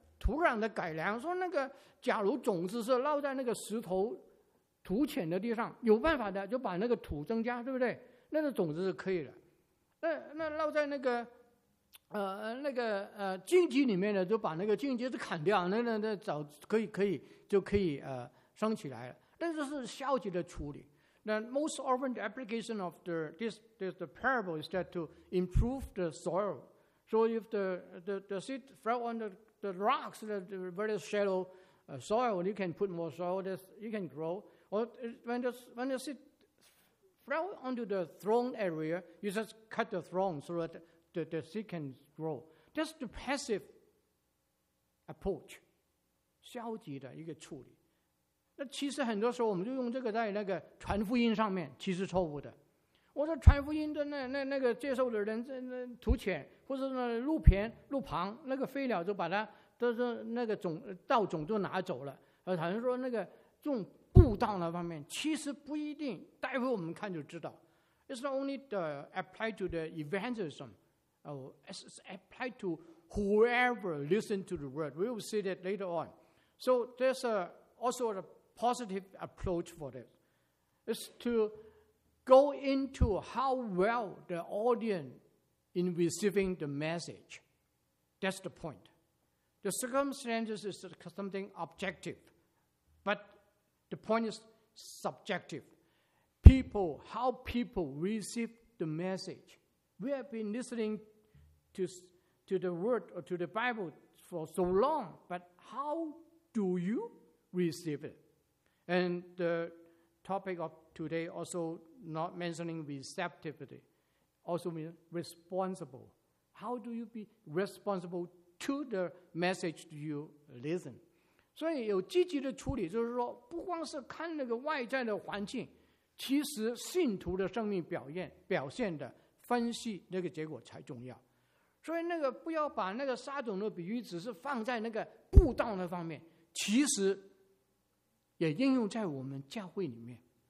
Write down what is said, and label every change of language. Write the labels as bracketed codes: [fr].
[zh] 土壤的改良，说那个假如种子是落在那个石头土浅的地上，有办法的，就把那个土增加，对不对？那个种子是可以的。那落在那个荆棘里面的，就把那个荆棘都砍掉，那早可以就可以升起来了。但是是消极的处理。 [en] The most often the application of the parable is that to improve the soil. So if the seed fell on the rocks, the very shallow soil, you can put more soil, you can grow. Or when the seed fell onto the thorn area, you just cut the thorn so that the seed can grow. That's the passive approach. [zh] 消极的一个处理。那其实很多时候我们就用这个在那个传福音上面，其实错误的。我说传福音的那个接受的人，那土浅或者那路旁那个飞鸟就把它都是那个种稻种就拿走了。好像说那个用布道那方面，其实不一定。待会我们看就知道。 [en] It's not only the apply to the evangelism, it's apply to whoever listen to the word. We will see that later on. So there's also a positive approach for this is to go into how well the audience in receiving the message. That's the point. The circumstances is something objective, but the point is subjective. People, how people receive the message. We have been listening to the word or to the Bible for so long, but how do you receive it? And the topic of today also not mentioning receptivity, also means responsible. How do you be responsible to the message you listen? [zh] 所以有积极的处理，就是说不光是看那个外在的环境，其实信徒的生命表现的分析那个结果才重要。所以那个不要把那个撒种的比喻只是放在那个布道那方面，其实也应用在我们教会里面。